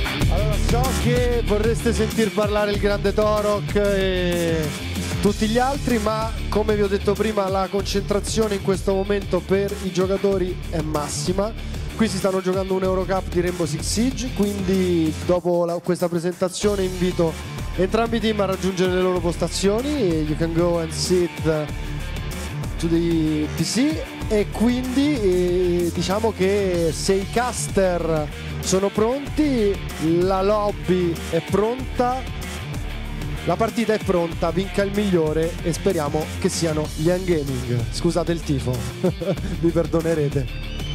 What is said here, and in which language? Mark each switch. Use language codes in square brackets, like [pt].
[it] Allora, so che vorreste sentir parlare il grande Torok e tutti gli altri, ma come vi ho detto prima, la concentrazione in questo momento per i giocatori è massima. Qui si stanno giocando un Eurocup di Rainbow Six Siege, quindi dopo questa presentazione invito entrambi i team a raggiungere le loro postazioni. [en] You can go and sit to the PC. [it] E quindi diciamo che se i caster sono pronti, la lobby è pronta, la partita è pronta, vinca il migliore e speriamo che siano gli End Gaming. Scusate il tifo, vi perdonerete.